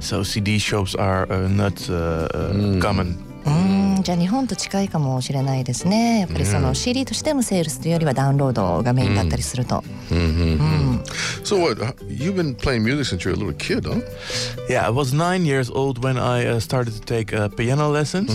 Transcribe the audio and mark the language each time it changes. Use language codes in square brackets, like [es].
[en] So CD shops are not common. [ja] じゃあ日本と近いかもしれないですね。やっぱりその CD としてのセールスというよりはダウンロードがメインだったりすると。 [en] So what? You've been playing music since you were a little kid, huh? Yeah, I was 9 years old when I started to take piano lessons.